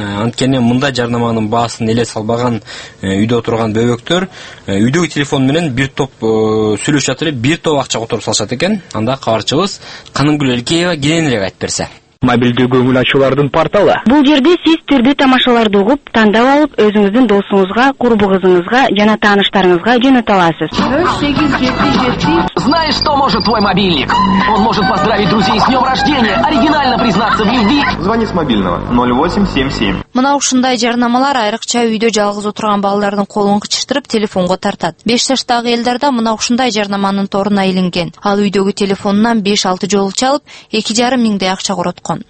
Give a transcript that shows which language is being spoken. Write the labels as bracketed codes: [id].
[ky] Анткени мындай жарнаманын баасын эле салбаган үйдө отурган бөбөктөр үйдөгү телефон менен бир топ сүйлөшүп жатып, бир топ акча которуп салышат экен. Анда кабарчыбыз Каныңгүл Элкеева кененирээк айтып берсе. Мобилдүү көңүл ачуулардын порталы. Бул жерде сиз түрдүү тамашаларды угуп, тандап алып, өзүңүздүн досуңузга, курбуңузга жана тааныштарыңызга жөнөтө аласыз. 0877. [ru] Знаешь, что может твой мобильник? Он может поздравить друзей с днём рождения, оригинально признаться в любви. Звони с мобильного 0877. [ky] Мына ушундай жарнамалар айрыкча үйдө жалгыз отурган балдардын колун кычыштырып телефонго тартат. 5 жаштагы элдерде мына ушундай жарнаманын торуна илинген. Ал үйдөгү телефонунан 5-6 жолу чалып, 2,5 миңдей акча коротту.